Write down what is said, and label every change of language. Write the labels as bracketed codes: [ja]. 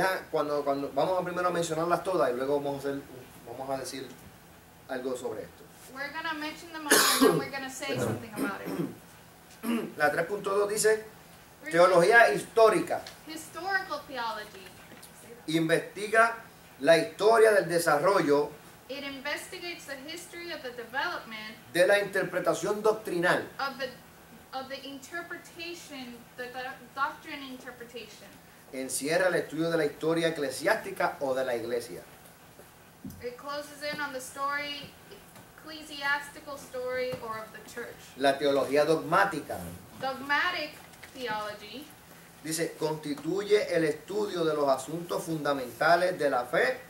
[es] Cuando vamos a primero mencionarlas todas y luego vamos a decir algo sobre esto. [en] We're going to mention them all and then we're going to say something about it. [es] La 3.2 dice teología histórica. [en] Historical theology. [es] Investiga la historia del desarrollo. [en] It investigates the history of the development. [es] De la interpretación doctrinal. [en] Of the interpretation, the doctrine interpretation. [es] Encierra el estudio de la historia eclesiástica o de la iglesia. [en] It closes in on the story, ecclesiastical story or of the church. [es] La teología dogmática. [en] Dogmatic theology. [es] Dice, constituye el estudio de los asuntos fundamentales de la fe.